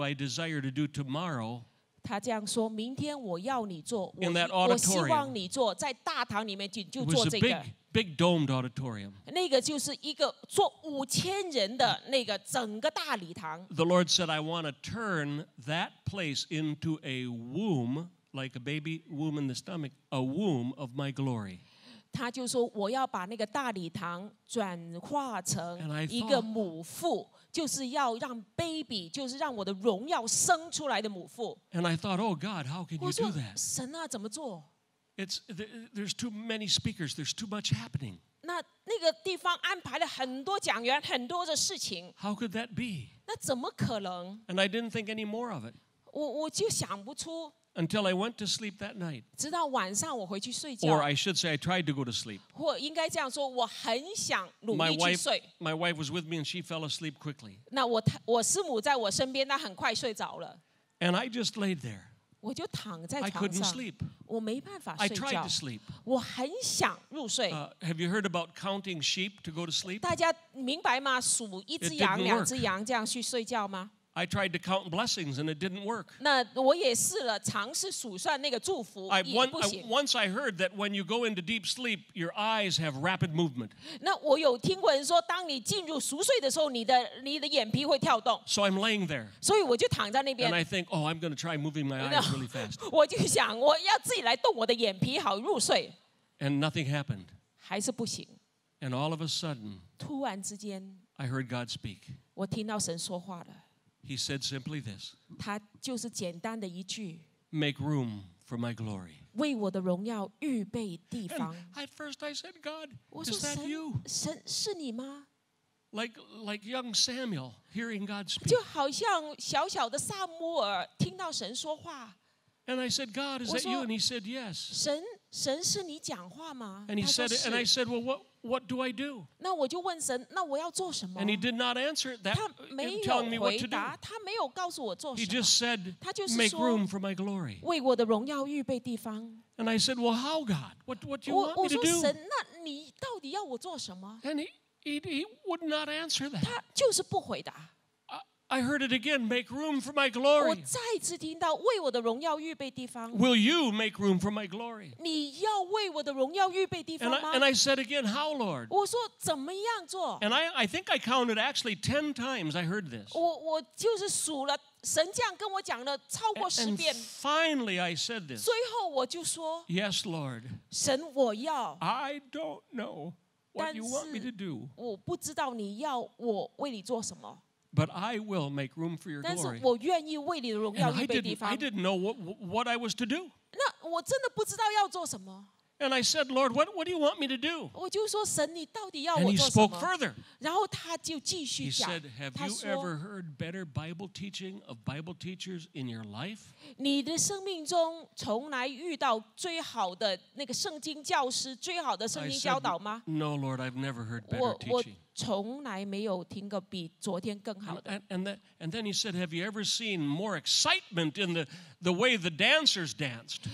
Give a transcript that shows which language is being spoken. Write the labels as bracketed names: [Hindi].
[English] I desire to do tomorrow." [Chinese] 他这样说，明天我要你做。 [English] In that auditorium, [Chinese] 我希望你做在大堂里面就做这个。 [English] It was a big domed auditorium. [Chinese] 那个就是一个坐五千人的那个整个大礼堂。 [English] The Lord said, "I want to turn that place into a womb." Like a baby womb in the stomach, a womb of my glory. [Chinese] 他就说我要把那个大礼堂转化成一个母腹，就是要让 baby， 就是让我的荣耀生出来的母腹。 [English] And I thought, oh God, how can you do that? [Chinese] 我说神啊，怎么做？ [English] It's there's too many speakers. There's too much happening. [Chinese] 那个地方安排了很多讲员，很多的事情。 [English] How could that be? [Chinese] 那怎么可能？ [English] And I didn't think any more of it. [Chinese] 我就想不出。 [English] Until I went to sleep that night. [Chinese] 直到晚上我回去睡觉。 [English] Or I should say, I tried to go to sleep. [Chinese] 或应该这样说，我很想努力去睡。 [English] My wife was with me, and she fell asleep quickly. [Chinese] 那我师母在我身边，她很快睡着了。 [English] And I just laid there. [Chinese] 我就躺在床上。 [English] I couldn't sleep. [Chinese] 我没办法睡觉。 [English] I tried to sleep. [Chinese] 我很想入睡。 [English] Have you heard about counting sheep to go to sleep? [Chinese] 大家明白吗？数一只羊、两只羊这样去睡觉吗？ [English] I tried to count blessings and it didn't work. [Chinese] 那我也试了，尝试数算那个祝福，也不行。 [English] Once I heard that when you go into deep sleep, your eyes have rapid movement. [Chinese] 那我有听过人说，当你进入熟睡的时候，你的眼皮会跳动。 [English] So I'm laying there. [Chinese] 所以我就躺在那边。 [English] And I think, oh, I'm going to try moving my eyes really fast. [Chinese] 我就想我要自己来动我的眼皮好入睡。 [English] And nothing happened. [Chinese] 还是不行。 [English] And all of a sudden, [Chinese] 突然之间 [English] I heard God speak. [Chinese] 我听到神说话了。 [English] He said simply this. [Chinese] 他就是简单的一句。 [English] Make room for my glory. [Chinese] 为我的荣耀预备地方。 [English] And at first I said, God, is that you? [Chinese] 神是你吗？ [English] Like young Samuel hearing God speak. [Chinese] 就好像小小的撒母耳听到神说话。 [English] And I said, God, is that you? And he said, yes. [Chinese] 神是你讲话吗？ [English] And he said, and I said, well, what do I do? [Chinese] 那我就问神，那我要做什么？ [English] And he did not answer that. [Chinese] 他没有回答， [English] telling me what to do. [Chinese] 他没有告诉我做什么。 [English] He just said, [Chinese] 他就是说， [English] make room for my glory. [Chinese] 为我的荣耀预备地方。 [English] And I said, well, how, God? What do you want me to do? [Chinese] 我说神，那你到底要我做什么？ [English] And he would not answer that. [Chinese] 他就是不回答。 [English] I heard it again. Make room for my glory. [Chinese] 我再次听到为我的荣耀预备地方。 [English] Will you make room for my glory? [Chinese] 你要为我的荣耀预备地方吗？ [English] And I said again, How, Lord? [Chinese] 我说怎么样做？ [English] And I think I counted actually 10 times. I heard this. [Chinese] 我就是数了，神这样跟我讲了超过十遍。 [English] And finally, I said this. [Chinese] 最后我就说 [English] ，Yes, Lord. [Chinese] 神，我要。 [English] I don't know what you want me to do. [Chinese] 我不知道你要我为你做什么。 [English] But I will make room for your glory. [Chinese] 但是我愿意为你的荣耀预备地方。 [English] I didn't know what I was to do. [Chinese] 那我真的不知道要做什么。 [English] And I said, Lord, what do you want me to do? [Chinese] 我就说神，你到底要我做什么？ [English] And he spoke further. [Chinese] 然后他就继续讲。 [English] He said, Have you ever heard better Bible teaching of Bible teachers in your life? [Chinese] 你的生命中从来遇到最好的那个圣经教师，最好的圣经教导吗？ [English] No, Lord, I've never heard better teaching. [Chinese] 我从来没有听过比昨天更好的。 [English] And then he said, Have you ever seen more excitement in the way the dancers danced?